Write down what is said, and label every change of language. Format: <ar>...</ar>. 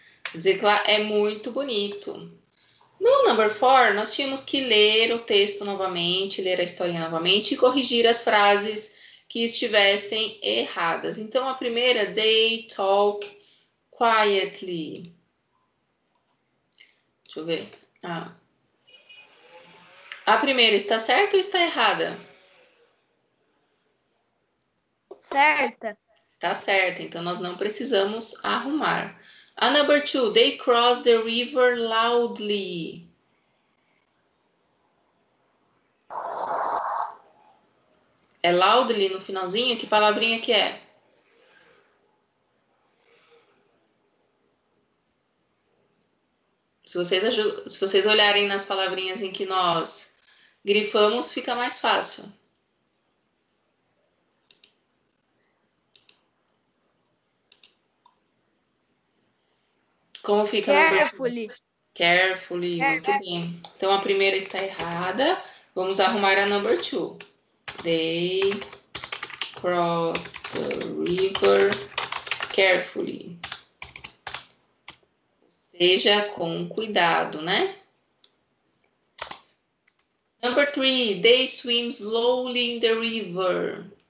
<pt>Quer dizer que lá é muito bonito. No number 4, nós tínhamos que ler o texto novamente, ler a história novamente e corrigir as frases que estivessem erradas. Então, a primeira,</pt> <en>they talk quietly.</en> <pt>Deixa eu ver. Ah. A primeira, está certa ou está errada? Certa. Tá certa, então nós não precisamos arrumar.</pt> <en>A number 2, they cross the river loudly.</en> <pt>É loudly no finalzinho? Que palavrinha que é? Se vocês olharem nas palavrinhas em que nós grifamos, fica mais fácil. Como fica?</pt> <en>Carefully.</en> <pt>Carefully, muito bem. Então, a primeira está errada. Vamos arrumar a number 2.</pt> <en>They cross the river carefully.</en> <pt>Ou seja, com cuidado, né?</pt> <en>Number 3. They swim slowly in the river.</en>